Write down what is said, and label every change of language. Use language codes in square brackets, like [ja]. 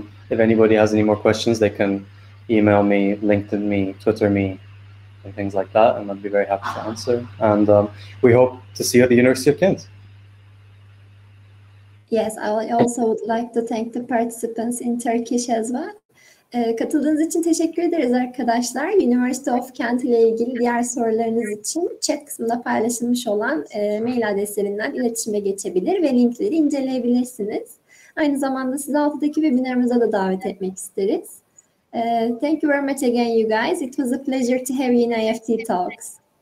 [en] If anybody has any more questions, they can email me, LinkedIn me, Twitter me, and things like that, and I'd be very happy to answer. And we hope to see you at the University of Kent. Yes, I also would like to thank the participants in Turkish as well. [tr] Katıldığınız için teşekkür ederiz arkadaşlar. University of Kent ile ilgili diğer sorularınız için chat kısmında paylaşılmış olan mail adreslerinden iletişime geçebilir ve linkleri inceleyebilirsiniz. Aynı zamanda sizi altıdaki webinarımıza da davet etmek isteriz. [en] Thank you very much again, you guys. It was a pleasure to have you in IEFT Talks.